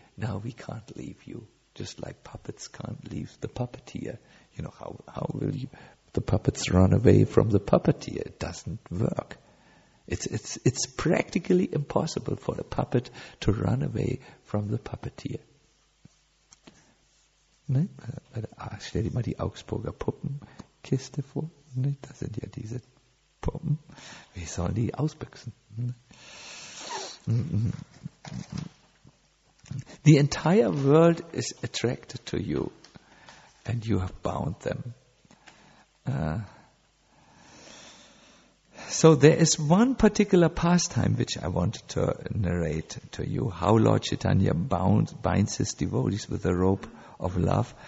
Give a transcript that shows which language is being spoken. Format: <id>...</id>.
<en>Now we can't leave you, just like puppets can't leave the puppeteer. You know, how will you, the puppets run away from the puppeteer? It doesn't work. It's practically impossible for a puppet to run away from the puppeteer."</en> <de>Ne? Stell dir mal die Augsburger Puppenkiste vor. Ne? Da sind ja diese Puppen. Wie sollen die ausbüchsen? Ne?</de> <en>"The entire world is attracted to you and you have bound them. So there is one particular pastime which I wanted to narrate to you, how Lord Chaitanya binds his devotees with the rope of love.</en>